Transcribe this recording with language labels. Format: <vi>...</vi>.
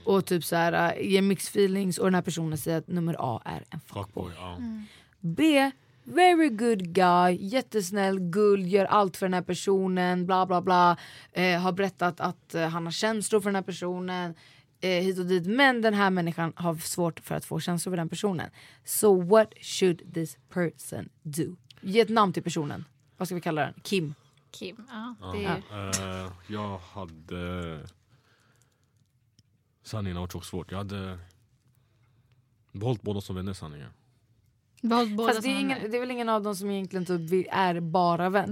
<sv>Och typ så här, ger</sv> <en>mixed feelings.</en> <sv>Och den här personen säger att nummer A är en fuckboy. B,</sv> <en>very good guy.</en> <sv>Jättesnäll, guld, gör allt för den här personen. Bla bla bla. Har berättat att han har känslor för den här personen. Hit och dit. Men den här människan har svårt för att få känslor för den personen.</sv> <en>So what should this person do?</en> <sv>Ge ett namn till personen. Vad ska vi kalla den? Kim. Kim, ja. Jag hade... Sanningen har varit så svårt. Jag hade behållt båda som vänner, sanningen. Behållt båda fast som det är ingen, vänner? Det är väl ingen av dem som egentligen typ är bara vän?</sv>